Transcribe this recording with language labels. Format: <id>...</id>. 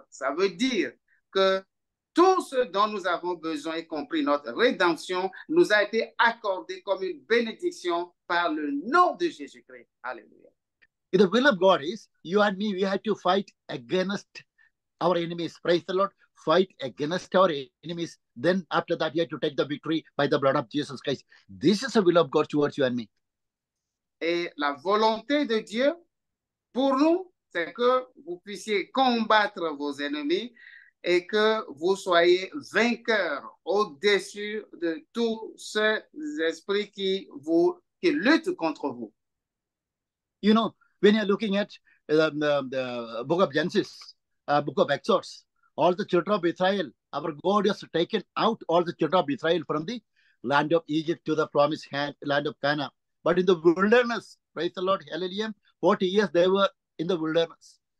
<fr>Ça veut dire que tout ce dont nous avons besoin, y compris notre rédemption, nous a été accordé comme une bénédiction par le nom de Jésus-Christ. Alléluia.</fr> <en>In the will of God is, you and me, we have to fight against our enemies. Praise the Lord. Fight against our enemies. Then after that, you have to take the victory by the blood of Jesus Christ. This is the will of God towards you and me.</en> <fr>Et la volonté de Dieu pour nous, c'est que vous puissiez combattre vos ennemis et que vous soyez vainqueurs au-dessus de tous ces esprits qui luttent contre vous.</fr> <en>You know, when you're looking at the book of Genesis, book of Exodus, all the children of Israel, our God has taken out all the children of Israel from the land of Egypt to the promised hand, land of Canaan. But in the wilderness, praise the Lord, hallelujah, 40 years they were in the wilderness.</en>